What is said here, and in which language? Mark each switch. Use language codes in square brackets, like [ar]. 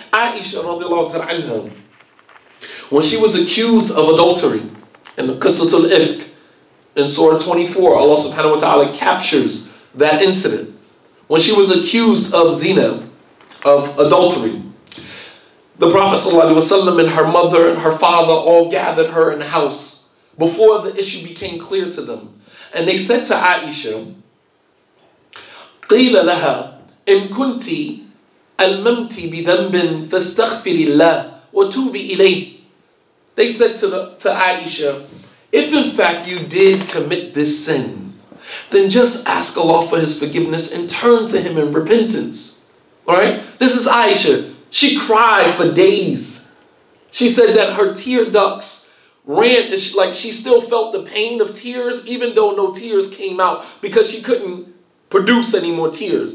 [en] Aisha radiallahu ta'ala anha, when she was accused of adultery in the Qissatul Ifk in Surah 24, Allah subhanahu wa ta'ala captures that incident. When she was accused of zina, of adultery, the Prophet sallallahu alaihi wasallam and her mother and her father all gathered her in the house before the issue became clear to them. And they said to Aisha, [ar] قِيلَ لَهَا إِن كُنْتِ أَلْمَمْتِ بِذَنْبٍ فَاسْتَغْفِرِ اللَّهِ وَتُوبِ إِلَيْهِ. [en] They said to Aisha, "If in fact you did commit this sin, then just ask Allah for His forgiveness and turn to Him in repentance." Alright? This is Aisha. She cried for days. She said that her tear ducts ran, like she still felt the pain of tears, even though no tears came out, because she couldn't produce any more tears.